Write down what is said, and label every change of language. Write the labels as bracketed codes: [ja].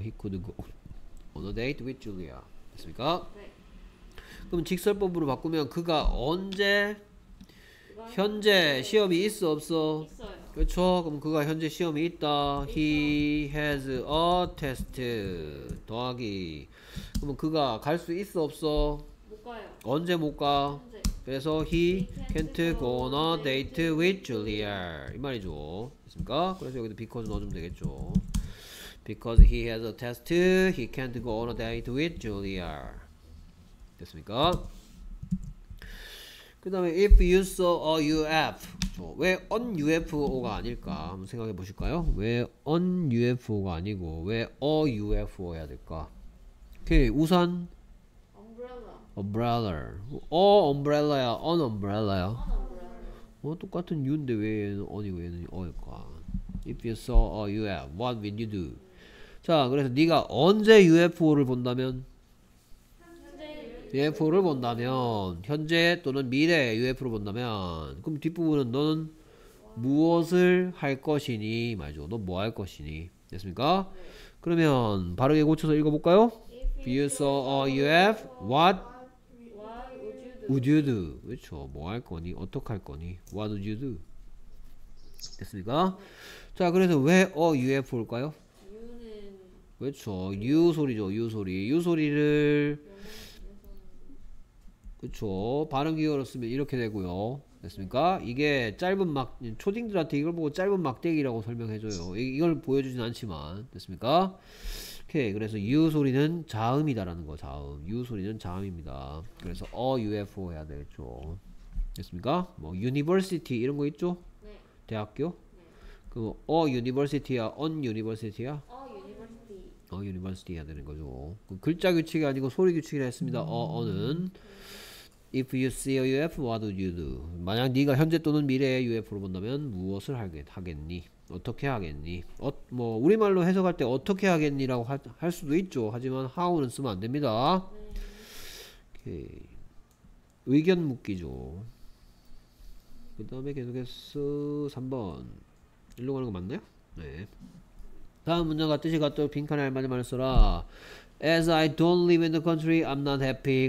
[en] He could go on a date with Julia. [ko] 됐습니까? 그럼 직설법으로 바꾸면 그가 언제 현재 시험이 있어 없어? 그렇죠. 그럼 그가 현재 시험이 있다. [en] He has a test. [ko] 더하기. 그럼 그가 갈 수 있어 없어? 못 가요. 언제 못 가? 그래서 [en] he can't go on a date with Julia. [ko] 이 말이죠. 됐습니까? 그래서 여기도 because 넣어주면 되겠죠. [en] Because he has a test, he can't go on a date with Julia. [ko] 됐습니까? 그 다음에 [en] if you saw a UFO, [ko] 왜 an UFO가 아닐까 한번 생각해 보실까요? 왜 an UFO가 아니고 왜 a UFO 해야 될까? 오케이, 우산? [en] Umbrella. Umbrella. a umbrella야, an umbrella야? umbrella. [ko] 어, 똑같은 U인데 왜 얘는 an이고 얘는 a일까? [en] If you saw a UFO, what would you do? [ko] 자, 그래서 네가 언제 UFO를 본다면? UFO를 본다면 현재 또는 미래 UFO를 본다면 그럼 뒷부분은 너는 무엇을 할 것이니 말이죠. 너 뭐 할 것이니 됐습니까? 그러면 바르게 고쳐서 읽어볼까요? [en] If you saw a UFO, what would you do? [ko] 그렇죠. 뭐 할 거니? 어떻게 할 거니? [en] What would you do? [ko] 됐습니까? 자, 그래서 왜 a UFO일까요? 그렇죠. U 소리죠. U 소리. U 소리를 그렇죠. 발음 기호로 쓰면 이렇게 되고요. 됐습니까? 이게 짧은 막 초딩들한테 이걸 보고 짧은 막대기라고 설명해줘요. 이걸 보여주진 않지만 됐습니까? 오케이. 그래서 U 소리는 자음이다라는 거. 자음. U 소리는 자음입니다. 그래서 a UFO 해야 되겠죠. 됐습니까? 뭐 University 이런 거 있죠? 네. 대학교. 네. 그럼 a University야, an University야? [en] a [ko] University 해야 되는 거죠. 글자 규칙이 아니고 소리 규칙이라 했습니다. [en] an은 If you see a UFO, what would you do? [ko] 만약 네가 현재 또는 미래의 UFO를 본다면 무엇을 하겠니? 어떻게 하겠니? 뭐 우리말로 해석할 때 어떻게 하겠니? 라고 할 수도 있죠. 하지만 how는 쓰면 안 됩니다. 오케이. 의견 묻기죠. 그 다음에 계속해서 3번 일로 가는 거 맞나요? 네. 다음 문장과 뜻이 같도록 빈칸에 알맞은 말을 써라. [en] As I don't live in the country, I'm not happy.